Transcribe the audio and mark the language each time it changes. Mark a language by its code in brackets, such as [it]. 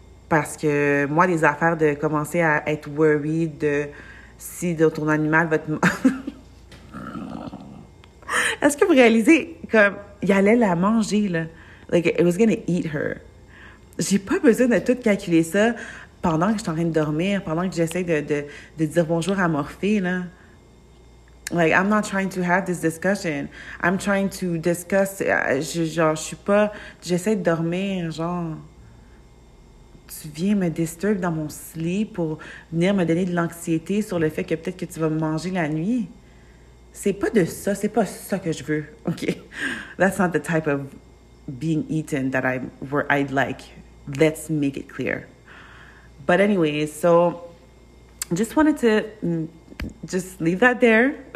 [fr] Parce que moi, les affaires de commencer à être worried de si de ton animal va te... Est-ce que vous réalisez, comme, il allait la manger, là? [en] Like, it was gonna eat her. [fr] J'ai pas besoin de tout calculer ça pendant que je suis en train de dormir, pendant que j'essaie de dire bonjour à Morphée, là. [en] Like, I'm not trying to have this discussion. I'm trying to discuss... [fr] J'essaie de dormir, genre... Tu viens me disturber dans mon sleep pour venir me donner de l'anxiété sur le fait que peut-être que tu vas me manger la nuit. C'est pas de ça, c'est pas ça que je veux, OK? [en] That's not the type of being eaten that I'd like. Let's make it clear. But anyway, so just wanted to just leave that there.